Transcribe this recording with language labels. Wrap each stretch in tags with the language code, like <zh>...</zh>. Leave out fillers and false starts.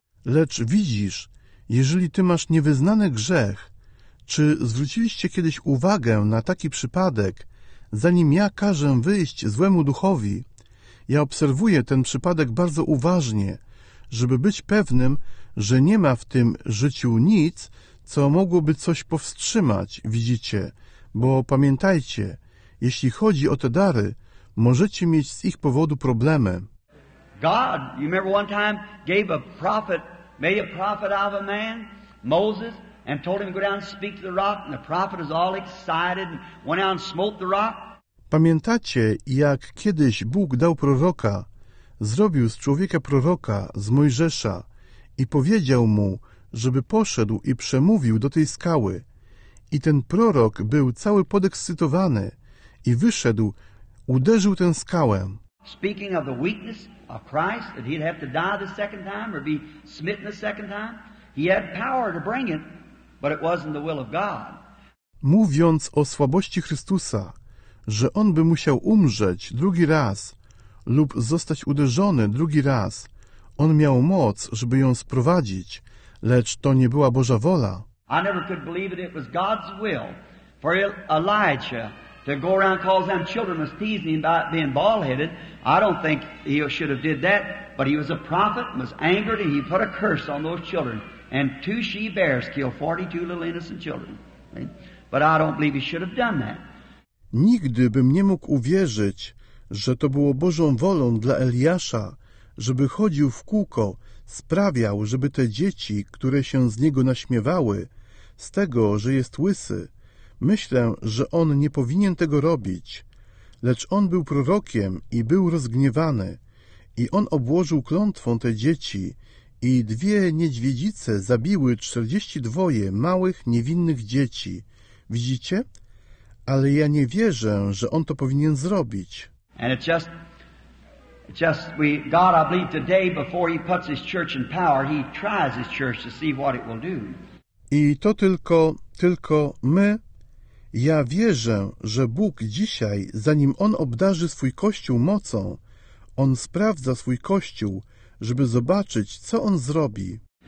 <pl>Lecz widzisz, jeżeli ty masz niewyznany grzech, czy zwróciliście kiedyś uwagę na taki przypadek, zanim ja każę wyjść złemu duchowi? Ja obserwuję ten przypadek bardzo uważnie, żeby być pewnym, że nie ma w tym życiu nic, co mogłoby coś powstrzymać, widzicie, bo pamiętajcie, jeśli chodzi o te dary, możecie mieć z ich powodu problemy.</pl> <en>God, you remember one time, gave a prophet, made a prophet out of a man, Moses, and told him to go down and speak to the rock, and the prophet was all excited and went out and smote the rock.</en> <pl>Pamiętacie, jak kiedyś Bóg dał proroka, zrobił z człowieka proroka, z Mojżesza, i powiedział mu, żeby poszedł i przemówił do tej skały. I ten prorok był cały podekscytowany i wyszedł, uderzył tę skałę.</pl> <en>Speaking of the weakness of Christ, that he'd have to die the second time or be smitten the second time, he had power to bring it, but it wasn't the will of God.</en> <pl>Mówiąc o słabości Chrystusa, że on by musiał umrzeć drugi raz lub zostać uderzony drugi raz, on miał moc, żeby ją sprowadzić, lecz to nie była Boża wola.</pl> <en>I never could believe it was God's will for Elijah to go around calls them children was teasing him about being bald-headed. I don't think he should have did that, but he was a prophet and was angered and he put a curse on those children and two she-bears killed 42 little innocent children. But I don't believe he should have done that.</en> <pl>Nigdy bym nie mógł uwierzyć, że to było Bożą wolą dla Eliasza, żeby chodził w kółko, sprawiał, żeby te dzieci, które się z niego naśmiewały, z tego, że jest łysy, myślę, że on nie powinien tego robić. Lecz on był prorokiem i był rozgniewany, i on obłożył klątwą te dzieci, i dwie niedźwiedzice zabiły 42 małych, niewinnych dzieci. Widzicie? Ale ja nie wierzę, że on to powinien zrobić.</pl> <en>And it's just we God I believe today before he puts his church in power, he tries his church to see what it will do.</en> <pl>I to tylko my. Ja wierzę, że Bóg dzisiaj, zanim on obdarzy swój kościół mocą, on sprawdza swój kościół, żeby zobaczyć, co on zrobi.</pl>